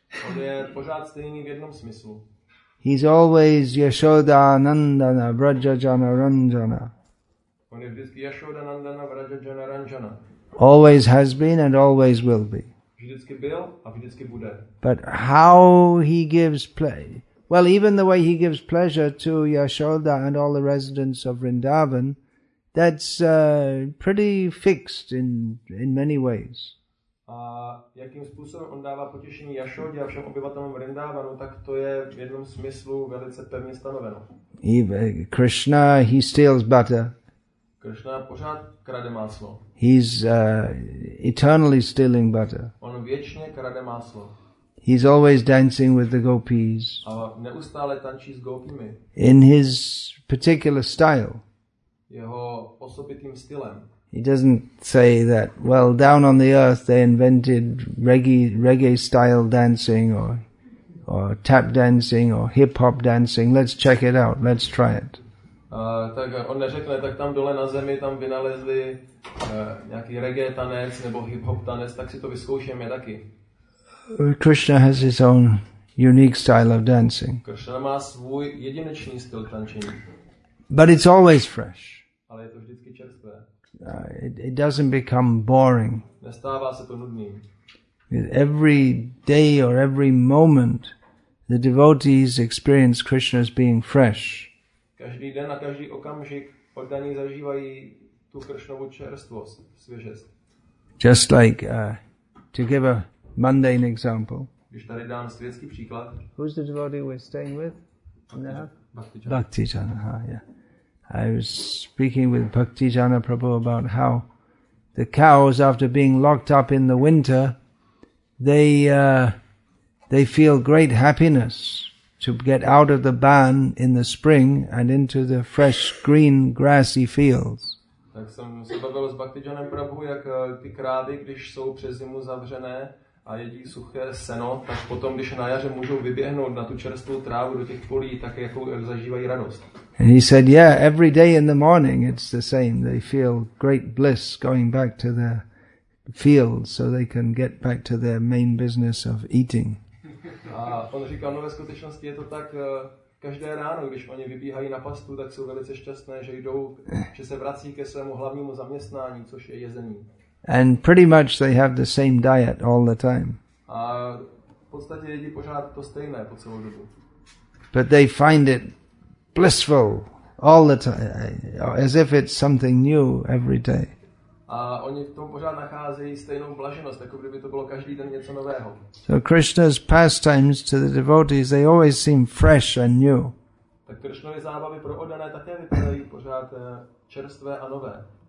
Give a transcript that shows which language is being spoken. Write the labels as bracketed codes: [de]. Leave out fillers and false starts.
[cs] On je pořád stejný v jednom smyslu. [en] He's always Yashoda Nandana Vraja Jana Ranjana. [cs] On je vždycky Yashoda Nandana Vraja Jana Ranjana. [en] Always has been and always will be. [cs] Vždycky byl a vždycky bude. [en] But how he gives pleasure. Well, even the way he gives pleasure to Yashoda and all the residents of Vrindavan, that's pretty fixed in many ways. [cs] A jakým způsobem on dává potěšení Yashodě a všem obyvatelům Vrindavanu, tak to je v jednom smyslu velice pevně stanoveno. [en] Krishna, he steals butter. [cs] Krishna pořád krade máslo. [en] He's eternally stealing butter. [cs] On věčně krade máslo. [en] He's always dancing with the gopis. [cs] A neustále tančí s gopimi. [en] In his particular style. [cs] Jeho osobitým stylem. [en] He doesn't say that, well, down on the earth they invented reggae style dancing or tap dancing or hip hop dancing. Let's check it out. Let's try it. [cs] Tak on neřekne, tak tam dole na zemi tam vynalezli nějaký reggae tanec nebo hip hop tanec, tak si to vyzkoušíme taky. [en] Krishna has his own unique style of dancing. [cs] Krishna má svůj jedinečný styl tančení. [en] But it's always fresh. [cs] Ale je to vždycky čerstvé. [en] It doesn't become boring. [cs] Nestává se to nudným. [en] Every day or every moment, the devotees experience Krishna as being fresh. [cs] Každý den a každý okamžik oddaní zažívají tu Krishnovu čerstvost, svěžest. [en] Just like to give a mundane example. [cs] Když tady dám světský příklad. [en] Who's the devotee we're staying with? Bhakti Jana. Bhakti Jana, yeah. I was speaking with Bhaktijana Prabhu about how the cows, after being locked up in the winter, they feel great happiness to get out of the barn in the spring and into the fresh, green, grassy fields. [cs] Tak jsem se bavil s Bhaktijanem Prabhu, jak ty krávy, když jsou přes zimu zavřené a jedí suché seno, tak potom, když na jaře můžou vyběhnout na tu čerstvou trávu do těch polí, tak jakou zažívají radost. [en] And he said, yeah, every day in the morning it's the same. They feel great bliss going back to their fields so they can get back to their main business of eating. [cs] A on říkal, no ve skutečnosti je to tak, každé ráno, když oni vybíhají na pastu, tak jsou velice šťastné, že jdou, že se vrací ke svému hlavnímu zaměstnání, což je jezení. [en] And pretty much they have the same diet all the time. [cs] A v podstatě jedí pořád to stejné po celou dobu. [en] But they find it blissful all the time, as if it's something new every day. [cs] A oni v tom pořád nacházejí stejnou blaženost, jako kdyby to bylo každý den něco nového. [en] So Krishna's pastimes to the devotees, they always seem fresh and new. [cs] Tak Krishnovy zábavy pro oddané také vypadají pořád čerstvé a nové.